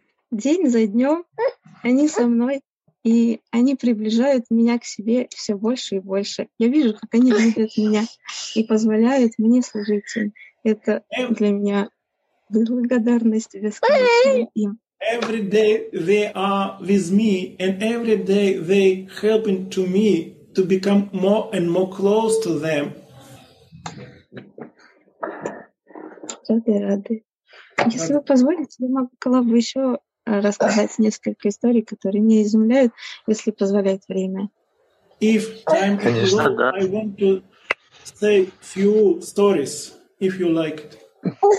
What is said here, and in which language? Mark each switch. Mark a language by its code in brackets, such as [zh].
[ru] день за днем они со мной, и они приближают меня к себе все больше и больше. Я вижу, как они любят меня и позволяют мне служить им. Это для меня благодарность бесконечная им. [en] Every day they are with me, and every day they helping to me to become more and more close to them. [ru] Рады. Если вы позволите, я могла бы еще рассказать несколько историй, которые меня изумляют, если позволяет время. [en] If time is long, I want to say few stories, if you like it.